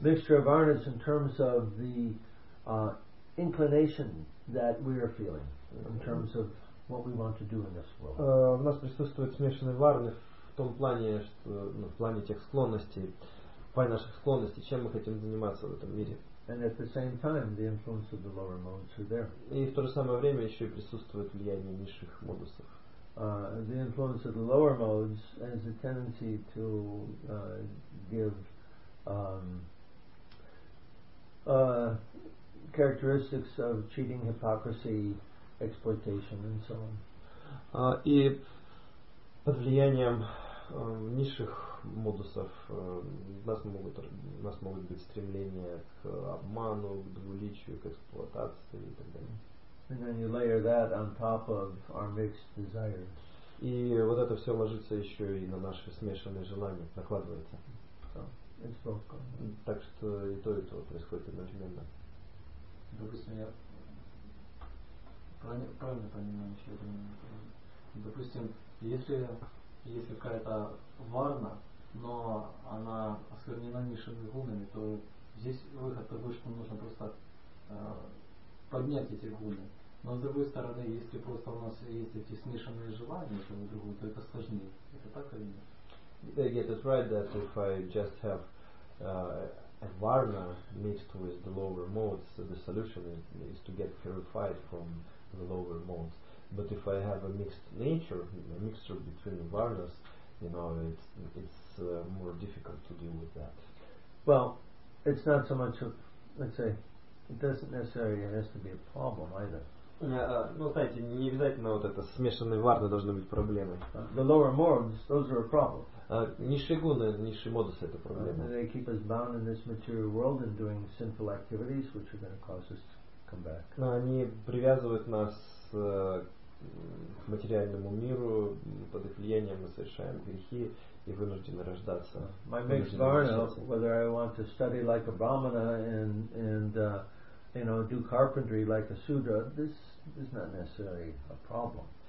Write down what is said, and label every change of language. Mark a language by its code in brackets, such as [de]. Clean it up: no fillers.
[en] Mixture of awareness in terms of the inclination that we are feeling, in terms of what we want to do in this world. [ru] В нас присутствует смешанный варны в том плане, что, ну, в плане тех склонностей, в плане наших склонностей, чем мы хотим заниматься в этом мире. [en] And at the same time, the influence of the lower modes are there. [ru] И в то же самое время еще и присутствует влияние низших модусов. [en] The influence of the lower modes has a tendency to give characteristics of cheating, hypocrisy, exploitation, and so on. [ru] И под влиянием низших модусов нас могут быть стремления к обману, к двуличию, к эксплуатации и так далее. [en] And then you layer that on top of our mixed desires. [ru] И вот это все ложится еще и на наши смешанные желания, накладывается. [en] So, [ru] так что и то происходит одновременно. Допустим, я правильно понимаю еще один момент. Допустим, если какая-то варна, но она осквернена низшими гунами, то здесь выход такой, что нужно просто поднять эти гуны. Но с другой стороны, если просто у нас есть эти смешанные желания, то другую, то это сложнее. Это так или нет? [en] I get it right that if I just have a varna mixed with the lower modes, the solution is to get purified from the lower modes. But if I have a mixed nature, a mixture between the varnas, you know, it's more difficult to deal with that. Well, it's not so much of, let's say, it doesn't necessarily has to be a problem either. [ru] Ну, знаете, не обязательно вот это смешанные варны должны быть проблемой. [en] The lower modes, those are a problem. [ru] Низшие гуны, низшие модусы — это проблема. [en] They keep us bound in this material world and doing sinful activities, which are going to cause us to come back. [ru] Они привязывают нас к материальному миру, под их влиянием мы совершаем грехи и вынуждены рождаться. [en] My mixed varna, whether I want to study like a brahmana and do carpentry like a sudra, this is not necessarily a problem.